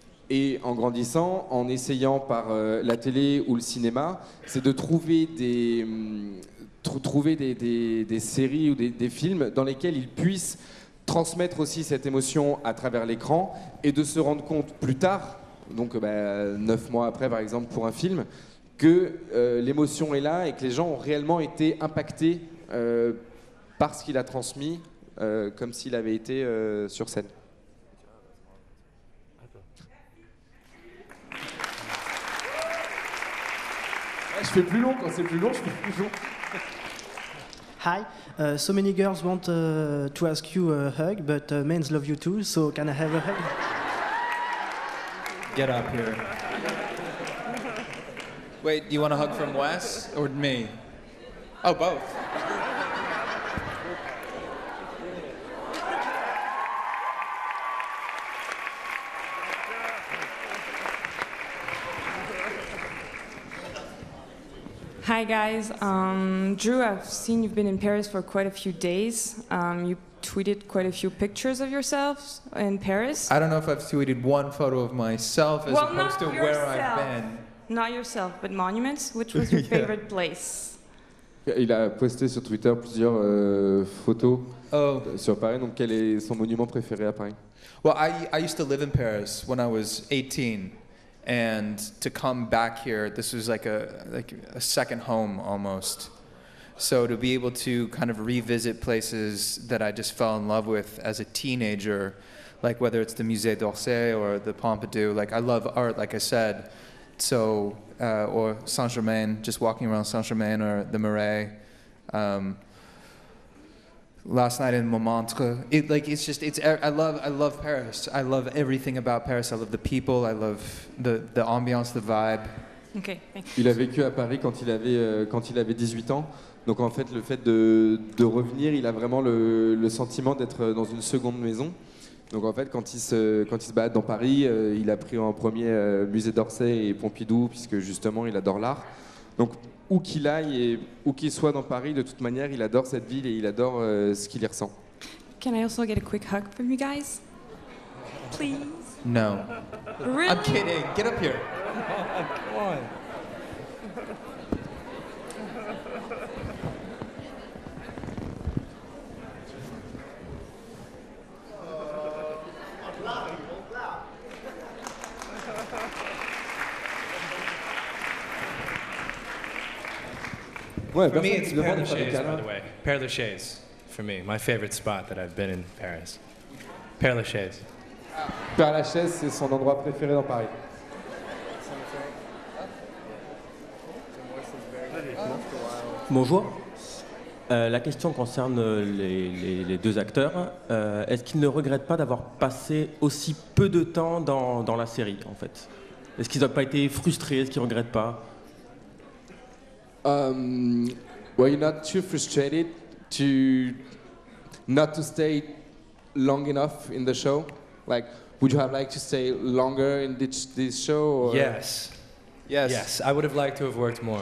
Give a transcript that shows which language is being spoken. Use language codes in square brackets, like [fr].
[fr] Et en grandissant, en essayant par la télé ou le cinéma, c'est de trouver des séries ou des films dans lesquels il puisse transmettre aussi cette émotion à travers l'écran et de se rendre compte plus tard, donc 9 mois après par exemple pour un film, que l'émotion est là et que les gens ont réellement été impactés par ce qu'il a transmis comme s'il avait été sur scène. Je fais plus long, quand c'est plus long, je fais plus long. [en] Hi, so many girls want to ask you a hug, but men love you too, so can I have a hug? Get up here. Wait, do you want a hug from Wes or me? Oh, both. Hi guys, Drew, I've seen you've been in Paris for quite a few days. You tweeted quite a few pictures of yourselves in Paris. I don't know if I've tweeted one photo of myself as well, opposed to yourself. Where I've been. Not yourself, but monuments. Which was your favorite place? [fr] Il a posté sur Twitter plusieurs photos sur Paris. Donc, quel est son monument préféré à Paris? [en] Well, I used to live in Paris when I was 18. And to come back here, this was like a second home almost. So to be able to kind of revisit places that I just fell in love with as a teenager, like whether it's the Musée d'Orsay or the Pompidou, like I love art, like I said. So, or Saint-Germain, just walking around Saint-Germain or the Marais. Last night in Montmartre, I love Paris. I love everything about Paris. I love the people. I love the ambiance, the vibe. Okay. [fr] Il a vécu à Paris quand il avait 18 ans. Donc en fait, le fait de revenir, il a vraiment le sentiment d'être dans une seconde maison. Donc en fait, quand il se balade dans Paris, il a pris en premier Musée d'Orsay et Pompidou puisque justement, il adore l'art. Donc où qu'il aille et où qu'il soit dans Paris, de toute manière, il adore cette ville et il adore ce qu'il y ressent. [en] Can I also get a quick hug from you guys? Please? No. Really? I'm kidding. Get up here. Come on. For me, it's Père Lachaise, by the way. Père Lachaise, for me, my favorite spot that I've been in Paris. Père Lachaise. [fr] Père Lachaise, c'est son endroit préféré dans Paris. Bonjour. La question concerne les deux acteurs. Est-ce qu'ils ne regrettent pas d'avoir passé aussi peu de temps dans la série, en fait? Est-ce qu'ils n'ont pas été frustrés? Est-ce qu'ils ne regrettent pas? [en] Well, you're not too frustrated to not to stay long enough in the show? Like, would you have liked to stay longer in this show? Or? Yes. Yes. Yes, I would have liked to have worked more.